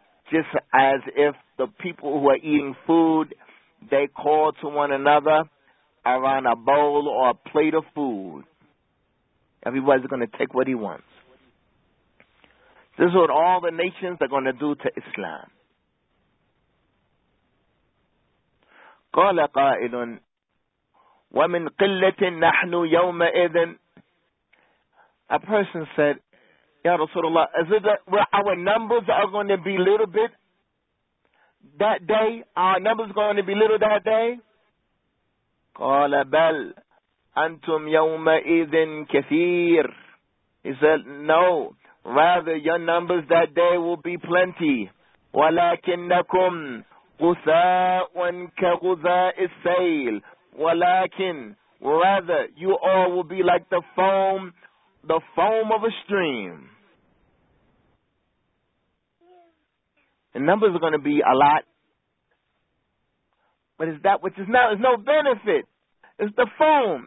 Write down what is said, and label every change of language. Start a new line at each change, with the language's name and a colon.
English: Just as if the people who are eating food, they call to one another around a bowl or a plate of food. Everybody's going to take what he wants. This is what all the nations are going to do to Islam.
Arabic: قال قائل ومن قلة نحن يومئذ.
English: A person said, Ya Rasulullah, is it that our numbers are going to be little bit that day? Our numbers going to be little that day?
Arabic: قال بل أنتم يومئذ كثير.
English: He said, no, rather your numbers that day will be plenty.
Arabic: ولكنكم غثاء كغثاء السيل.
English: ولكن, rather, you all will be like the foam of a stream. The numbers are going to be a lot, but it's that which is not, it's no benefit. It's the foam.